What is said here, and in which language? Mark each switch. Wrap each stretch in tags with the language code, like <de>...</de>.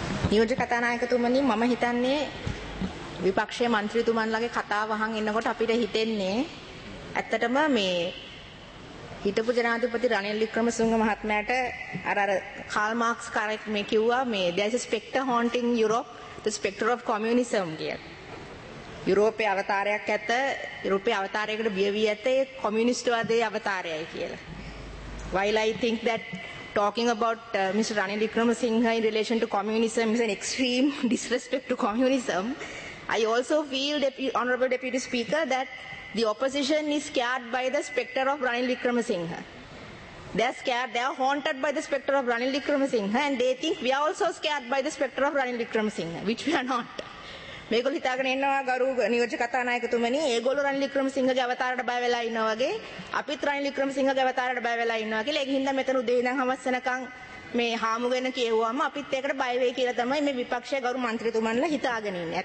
<si>නියෝජ්‍ය කතානායකතුමනි මම හිතන්නේ විපක්ෂයේ මන්ත්‍රීතුමන්ලගේ කතා වහන් ඉන්නකොට අපිට හිතෙන්නේ ඇත්තටම මේ හිටපු ජනාධිපති රනිල් වික්‍රමසිංහ මහත්මයාට අර අර කාල් මාක්ස් කරෙක් මේ කිව්වා මේ</si> <en>there's a spectre haunting Europe the spectre of communism</en> <si>කියලා. යුරෝපයේ අවතාරයක් ඇත යුරෝපයේ අවතාරයකට බිය වී ඇත ඒ කොමියුනිස්ට්වාදයේ අවතාරයයි කියලා.</si> <en>While I think that talking about Mr. Ranil Wickremesinghe in relation to communism is an extreme disrespect to communism, I also feel, Honorable Deputy Speaker, that the opposition is scared by the specter of Ranil Wickremesinghe. They are scared, they are haunted by the specter of Ranil Wickremesinghe, and they think we are also scared by the specter of Ranil Wickremesinghe, which we are not.</en> <si>මේගොල්ලෝ හිතාගෙන ඉන්නවා ගරු නියෝජ්‍ය කතානායකතුමනි ඒගොල්ලෝ රනිල් වික්‍රමසිංහගේ අවතාරයට බය වෙලා ඉන්නා වගේ අපිත් රනිල් වික්‍රමසිංහගේ අවතාරයට බය වෙලා ඉන්නවා කියලා ඒකින්ද මෙතන උදේ ඉඳන් හවස වෙනකන් මේ හාමුගෙන කියෙව්වම අපිත් ඒකට බය වෙයි කියලා තමයි මේ විපක්ෂයේ ගරු මන්ත්‍රීතුමන්ලා හිතාගෙන ඉන්නේ.</si>